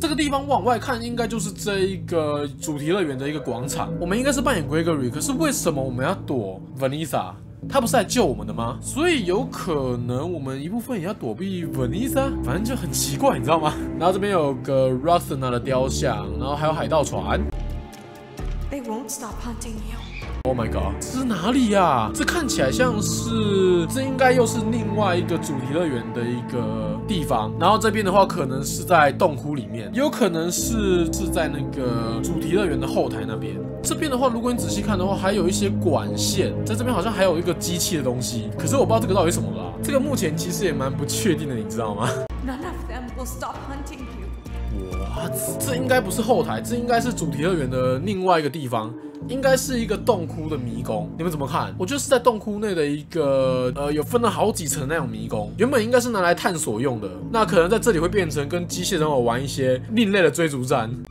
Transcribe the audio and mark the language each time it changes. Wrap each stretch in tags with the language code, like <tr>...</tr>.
<zh>这个地方往外看，应该就是这一个主题乐园的一个广场。我们应该是扮演 Gregory， 可是为什么我们要躲 Vanessa？她不是来救我们的吗？所以有可能我们一部分也要躲避 Vanessa， 反正就很奇怪，你知道吗？然后这边有个 Rosanna 的雕像，然后还有海盗船。</zh> <en>They won't stop hunting you. Oh my god，</en> <zh>这是哪里啊？这看起来像是，这应该又是另外一个主题乐园的一个地方。然后这边的话，可能是在洞窟里面，有可能是在那个主题乐园的后台那边。这边的话，如果你仔细看的话，还有一些管线，在这边好像还有一个机器的东西。可是我不知道这个到底什么了、啊，这个目前其实也蛮不确定的，你知道吗？</zh> <en>None of them will stop hunting you.</en> <zh>这应该不是后台，这应该是主题乐园的另外一个地方，应该是一个洞窟的迷宫。你们怎么看？我觉得是在洞窟内的一个有分了好几层那种迷宫，原本应该是拿来探索用的，那可能在这里会变成跟机械人偶玩一些另类的追逐战。</zh>